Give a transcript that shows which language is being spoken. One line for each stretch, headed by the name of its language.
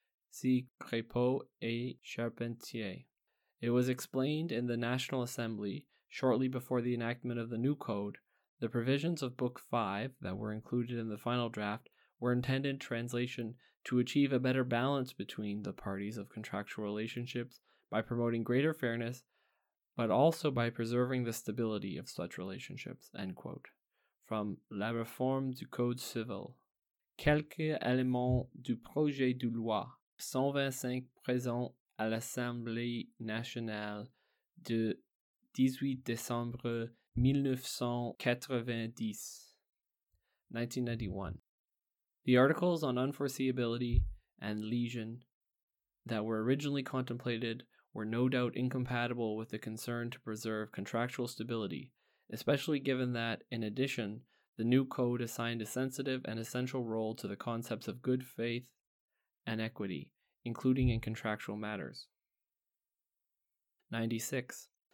English: See Crépeau et Charpentier. It was explained in the National Assembly, shortly before the enactment of the new code, the provisions of Book 5 that were included in the final draft were intended, translation, to achieve a better balance between the parties of contractual relationships by promoting greater fairness, but also by preserving the stability of such relationships, end quote. From La Réforme du Code Civil.
French: Quelques éléments du projet de loi 125 présent à l'Assemblée nationale de 18 December 1990, 1991.
English: The articles on unforeseeability and lesion that were originally contemplated were no doubt incompatible with the concern to preserve contractual stability, especially given that, in addition, the new code assigned a sensitive and essential role to the concepts of good faith and equity, including in contractual matters. 96.